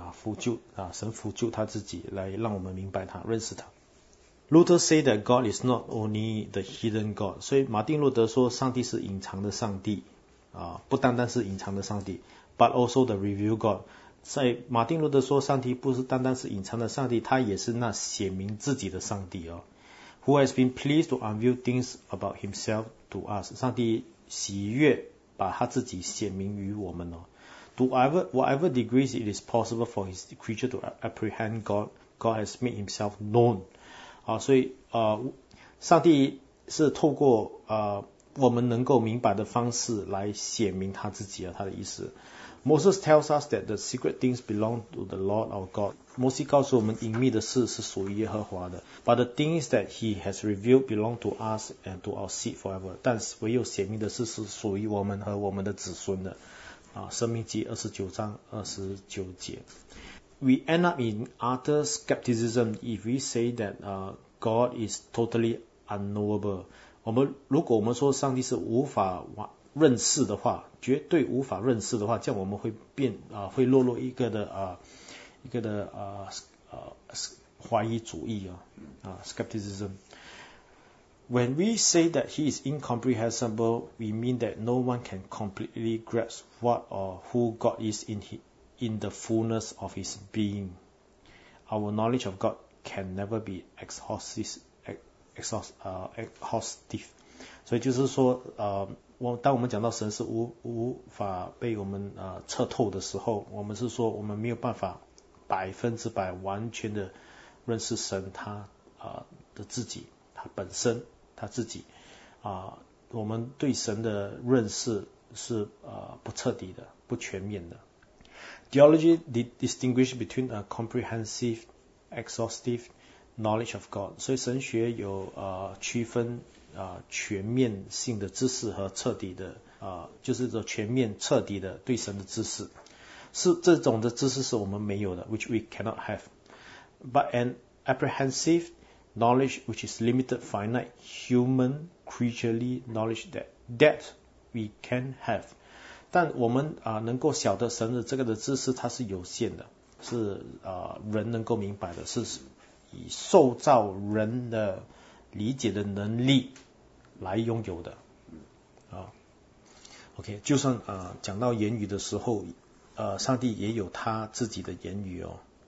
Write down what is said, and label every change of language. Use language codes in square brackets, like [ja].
[zh] 辅救，神辅救他自己来让我们明白他认识他。 [en] Luther say that God is not only the hidden God. [zh] 所以马丁路德说上帝是隐藏的上帝不单单是隐藏的上帝， [en] but also the revealed God. [zh] 在马丁路德说上帝不是单单是隐藏的上帝，他也是那显明自己的上帝 [en] Who has been pleased to unveil things about himself to us. [zh] 上帝喜悦把他自己显明于我们 [en] To whatever degrees it is possible for his creature to apprehend God, God has made himself known. [zh] 所以上帝是透过我们能够明白的方式来显明他自己他的意思。 [en] Moses tells us that the secret things belong to the Lord our God. [zh] 摩西告诉我们隐秘的事是属于耶和华的。 [en] But the things that he has revealed belong to us and to our seed forever. [zh] 但是唯有显明的事是属于我们和我们的子孙的。生命记二十九章二十九节。 [en] We end up in utter skepticism if we say that God is totally unknowable. [zh] 如果我们说上帝是无法认识的话，绝对无法认识的话，这样我们会变会落入一个的怀疑主义skepticism。 [en] When we say that he is incomprehensible, we mean that no one can completely grasp what or who God is in the fullness of his being. Our knowledge of God can never be exhaustive. [zh] 所以就是说当我们讲到神是 无法被我们彻透的时候，我们是说我们没有办法百分之百完全的认识神他的自己他本身。他自己我们对神的认识是不彻底的，不全面的。 [en] Theology distinguishes between a comprehensive exhaustive knowledge of God. [zh] 所以神学有区分全面性的知识和彻底的就是说全面彻底的对神的知识，是这种的知识是我们没有的， [en] which we cannot have. But an apprehensiveknowledge which is limited, finite, human, creaturely knowledge that we can have. [zh] 但我们能够晓得神的这个的知识它是有限的，是人能够明白的，是以受造人的理解的能力来拥有的。 OK, 就算讲到言语的时候上帝也有他自己的言语哦。